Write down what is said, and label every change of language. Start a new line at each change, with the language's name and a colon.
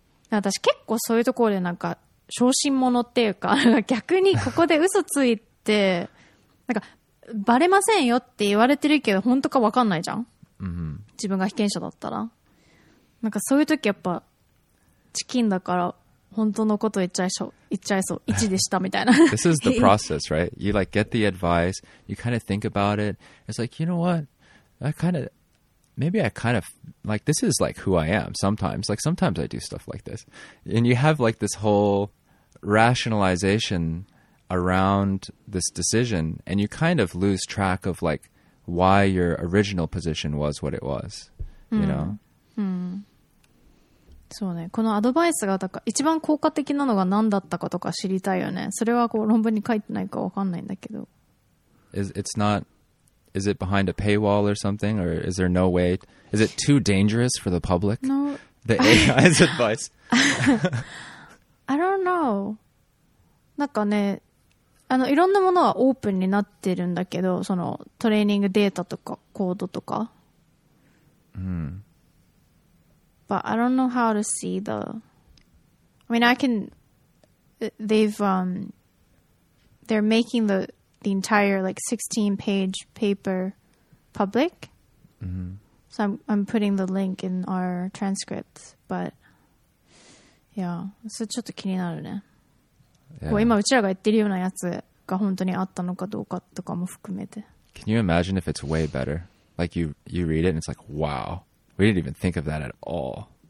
Japanese: なんか私結構そういうところでなんか小心者っていうか、逆にここで嘘ついてなんかバレませんよって言われてるけど本当か分かんないじゃん、 mm-hmm. 自分が被験者だったらなんかそういう時やっぱチキンだから本当のこと言っちゃいそう1でしたみたいな。
English: This is the process, right? You like get the advice, you kind of think about it. It's like, you know whatMaybe I kind of, like, this is, like, who I am sometimes. Like, sometimes I do stuff like this. And you have, like, this whole rationalization around this decision, and you kind of lose track of, like, why your original position was what it was, you know?
Japanese: そうね。このアドバイスが、一番効果的なのが何だったかとか知りたいよね。それはこう論文に書いてないかわかんないんだけど。
English: It's not... Is it behind a paywall or something? Or is there no way? Is it too dangerous for the public? No. The AI's advice. I don't know.
Japanese: なんかね、いろんなものはオープンになってるんだけど、そのトレーニングデータとかコードとか。 Mm.
English: But I don't know how to see the... I mean, I can... They're making the entire like 16 page paper public. Mm-hmm. So I'm putting the link in our transcript, but yeah,
Japanese: それちょっと気になるね。こう今うちらが言ってるようなやつが本当にあったのかどうかとかも含めて。
English: Can you imagine if it's way better? Like you read it and it's like, wow, we didn't even think of that at all.